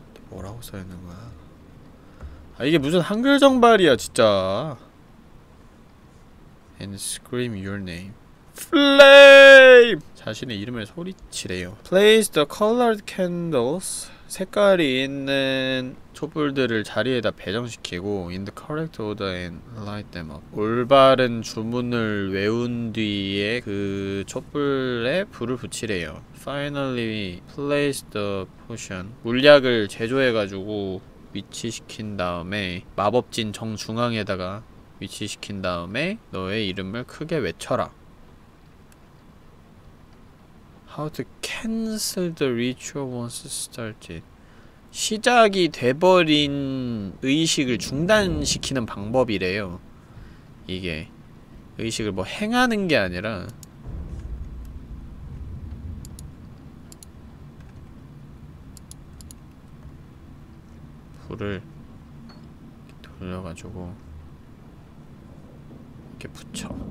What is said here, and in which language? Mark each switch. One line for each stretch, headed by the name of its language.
Korean: 뭐라고 써 있는 거야? 아 이게 무슨 한글 정발이야 진짜.
English: And scream your name. Flame!
Korean: 자신의 이름을 소리치래요.
English: Place the colored candles.
Korean: 색깔이 있는 촛불들을 자리에다 배정시키고
English: in the correct order and light them up.
Korean: 올바른 주문을 외운 뒤에 그 촛불에 불을 붙이래요.
English: Finally, place the potion.
Korean: 물약을 제조해가지고 위치시킨 다음에 마법진 정중앙에다가 위치시킨 다음에 너의 이름을 크게 외쳐라.
English: How to cancel the ritual once started.
Korean: 시작이 돼버린 의식을 중단시키는 방법이래요. 이게 의식을 뭐 행하는 게 아니라 불을 돌려가지고 이렇게 붙여.